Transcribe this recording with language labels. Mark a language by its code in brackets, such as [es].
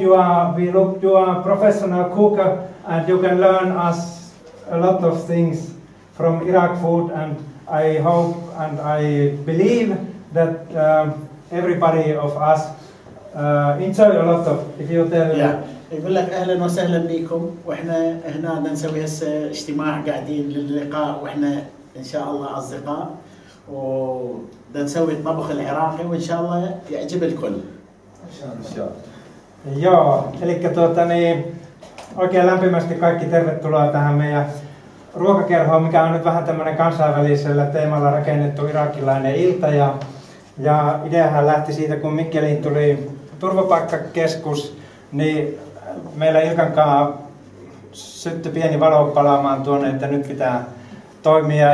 [en] You are a professional cooker, and you can learn us a lot of things from Iraq food, and I hope and I believe that everybody of us enjoy a lot of if you tell [ar] يقول لك اهلا وسهلا بكم واحنا هنا نسوي هسه اجتماع قاعدين للقاء واحنا ان شاء الله اصدقاء وبدنا نسوي الطبخ العراقي وان شاء الله يعجب الكل ان شاء الله [fi] joo elikkä oikein lämpimästi kaikki tervetuloa tähän meidän ruokakerhoon mikä on nyt vähän tämmöinen kansainvälisellä teemalla rakennettu irakilainen ilta ja ideahan lähti siitä kun Mikkeliin tuli turvapaikkakeskus niin meillä Ilkan kanssa syttyi pieni valo palaamaan tuonne, että nyt pitää toimia.